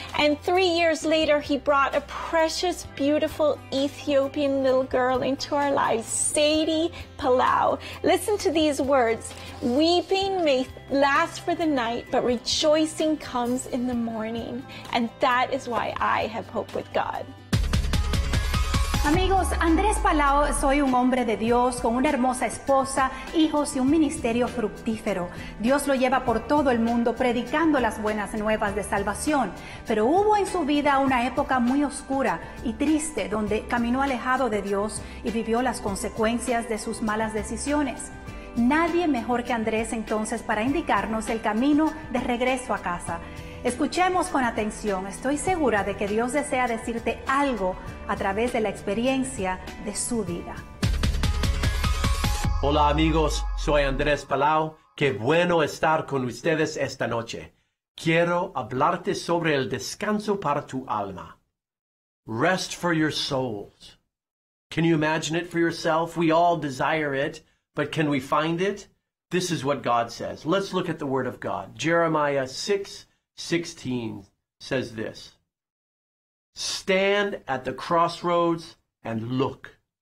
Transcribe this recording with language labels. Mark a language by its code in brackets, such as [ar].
[en] And 3 years later, He brought a precious, beautiful Ethiopian little girl into our lives, Sadie Palau. Listen to these words. Weeping may last for the night, but rejoicing comes in the morning. And that is why I have hope with God. [es] Amigos, Andrés Palau, soy un hombre de Dios con una hermosa esposa, hijos y un ministerio fructífero. Dios lo lleva por todo el mundo predicando las buenas nuevas de salvación. Pero hubo en su vida una época muy oscura y triste donde caminó alejado de Dios y vivió las consecuencias de sus malas decisiones. Nadie mejor que Andrés entonces para indicarnos el camino de regreso a casa. Escuchemos con atención. Estoy segura de que Dios desea decirte algo a través de la experiencia de su vida. Hola amigos, soy Andrés Palau. Qué bueno estar con ustedes esta noche. Quiero hablarte sobre el descanso para tu alma. [en] Rest for your souls. Can you imagine it for yourself? We all desire it, but can we find it? This is what God says. Let's look at the Word of God. Jeremiah 6:16 says this, stand at the crossroads and look.